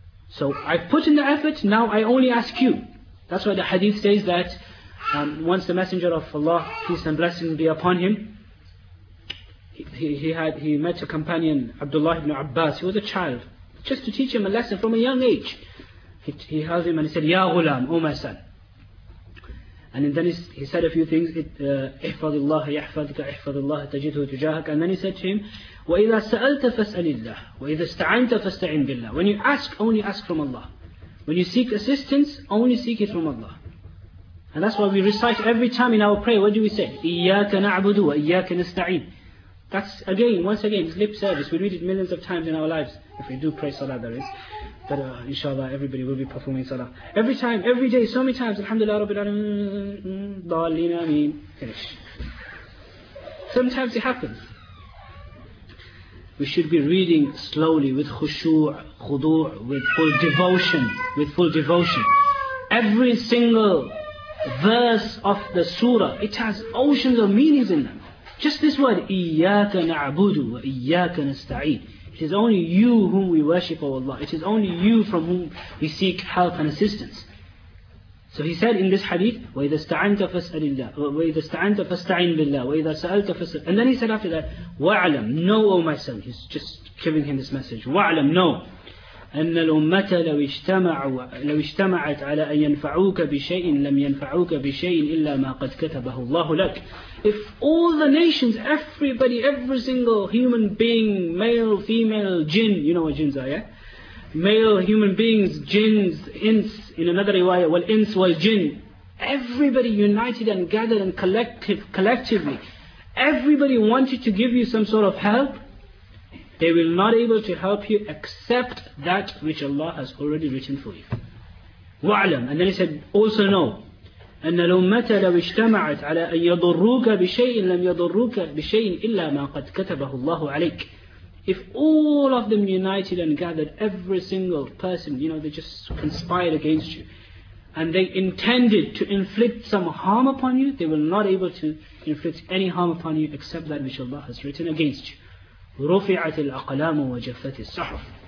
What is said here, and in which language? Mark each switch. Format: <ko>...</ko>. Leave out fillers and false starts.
<en>So, I've put in the effort. Now I only ask you. That's why the hadith says that once the Messenger of Allah, peace and blessings be upon him, he met a companion, Abdullah ibn Abbas. He was a child, just to teach him a lesson from a young age. He held him and he said, Ya ghulam, O my son. And then he said a few things,</en> <ar>اِحْفَظِ اللَّهَ يَحْفَظِكَ اِحْفَظِ اللَّهَ تَجِدْهُ تُجَاهَكَ.</ar> <en>And then he said to him,</en> <ar>وَإِذَا سَأَلْتَ فَاسْأَلِ اللَّهِ وَإِذَا اسْتَعَنْتَ فَاسْتَعِنْ بِاللَّهِ.</ar> <en>When you ask, only ask from Allah. When you seek assistance, only seek it from Allah. And that's why we recite every time in our prayer, what do we say?</en> <ar>إِيَّاكَ نَعْبُدُ وَإِيَّاكَ نَسْتَعِينَ.</ar> <en>That's again, once again, it's lip service. We read it millions of times in our lives. If we do pray salah, that is. But inshallah, everybody will be performing salah. Every time, every day, so many times, Alhamdulillah, Rabbil Alameen, Dallin, Ameen, finish. Sometimes it happens. We should be reading slowly, with khushu', khudu', with full devotion, with full devotion. Every single verse of the surah, it has oceans of meanings in them. Just this word,</en> <ar>إِيَّاكَ نَعْبُدُ وَإِيَّاكَ نَسْتَعِينَ.</ar> <en>It is only you whom we worship, O Allah. It is only you from whom we seek help and assistance. So he said in this hadith,</en> <ar>وَإِذَا اسْتَعَنْتَ فَاسْأَلِ اللَّهِ وَإِذَا اسْتَعَنْتَ فَاسْتَعِينَ بِاللَّهِ وَإِذَا سَأَلْتَ فَاسْأَلِ.</ar> <en>And then he said after that,</en> <ar>وَعْلَمْ,</ar> <en>know, O my son. He's just giving him this message.</en> <ar>وَعْلَمْ,</ar> <en>know.</en> <ar>أن الأمة لو اجتمعت على أن ينفعوك بشيء لم ينفعوك بشيء إلا ما قد كتبه الله لك.</ar> <en>If all the nations, everybody, every single human being, male, female, jinn, you know what jinns are, yeah? male human beings, jinns, ins, in another riwayah,</en> <ar>wal ins wal jinn.</ar> <en>Everybody united and gathered and collectively. Everybody wanted to give you some sort of help. They will not able to help you except that which Allah has already written for you.</en> <ar>وَعْلَمْ.</ar> <en>And then he said, also know,</en> <ar>أَنَّ الْأُمَّةَ لَوْ اجْتَمَعَتْ عَلَىٰ أَنْ يَضُرُّوكَ بِشَيْءٍ لَمْ يَضُرُّوكَ بِشَيْءٍ إِلَّا مَا قَدْ كَتَبَهُ اللَّهُ عَلَيْكَ.</ar> <en>If all of them united and gathered, every single person, you know, they just conspired against you, and they intended to inflict some harm upon you, they will not able to inflict any harm upon you except that which Allah has written against you.</en> <ar>رُفِعَتِ الْأَقْلَامُ وَجَفَّتِ الصُّحُفُ.</ar>